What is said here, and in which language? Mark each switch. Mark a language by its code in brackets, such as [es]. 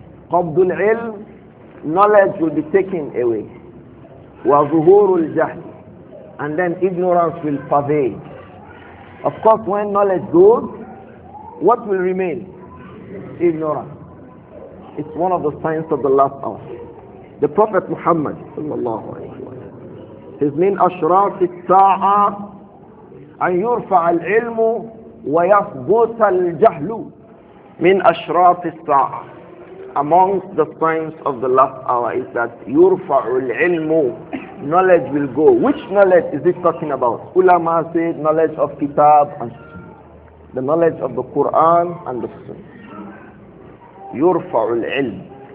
[ar] قبض العلم, [en] knowledge will be taken away. [ar] وظهور الجهل, [en] and then ignorance will pervade. Of course, when knowledge goes, what will remain? Ignorance. It's one of the signs of the last hour. The Prophet Muhammad sallallahu alaihi wasallam, his name [ar] أشراط الساعة أن يرفع العلم ويسقط الجهل من أشراط الساعة. [en] Amongst the signs of the last hour is that [ar] يرفع العلم, [en] knowledge will go. Which knowledge is this talking about? Ulama said knowledge of Kitab and the knowledge of the Quran and the Sunnah. [ar] يرفع العلم.